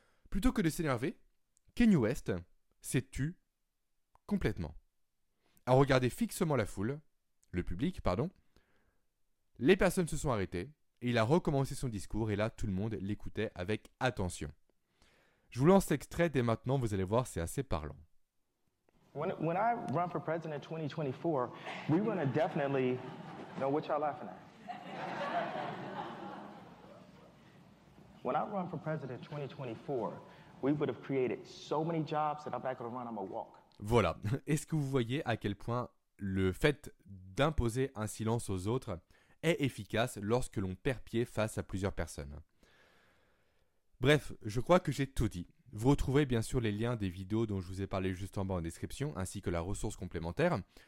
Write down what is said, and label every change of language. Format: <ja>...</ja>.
<fr>Plutôt que de s'énerver, Kanye West s'est tu complètement. A regardé fixement la foule, le public, pardon, les personnes se sont arrêtées, et il a recommencé son discours, et là, tout le monde l'écoutait avec attention. Je vous lance l'extrait dès maintenant, vous allez voir, c'est assez parlant.</fr> <en>When I run for president 2024, we're gonna definitely know what y'all laughing at. When I run for president 2024, we would have created so many jobs that I'm not gonna run, I'm gonna walk.</en> <fr>Voilà. Est-ce que vous voyez à quel point le fait d'imposer un silence aux autres est efficace lorsque l'on perd pied face à plusieurs personnes? Bref, je crois que j'ai tout dit. Vous retrouvez bien sûr les liens des vidéos dont je vous ai parlé juste en bas en description, ainsi que la ressource complémentaire.</fr>